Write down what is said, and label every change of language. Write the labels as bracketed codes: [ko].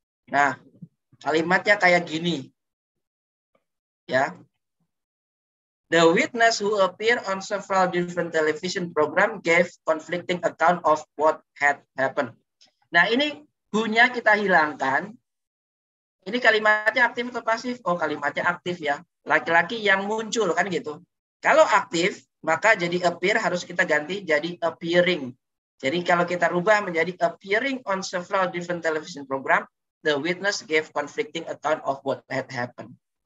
[id] Nah, kalimatnya kayak gini, ya. Yeah. [en] The witness who appeared on several different television program gave conflicting account of what had happened. [id] Nah, ini who-nya kita hilangkan. Ini kalimatnya aktif atau pasif? Oh, kalimatnya aktif ya. Laki-laki yang muncul, kan gitu. Kalau aktif, maka jadi appear harus kita ganti jadi appearing. Jadi kalau kita rubah menjadi [en] appearing on several different television program, the witness gave conflicting account of what had happened.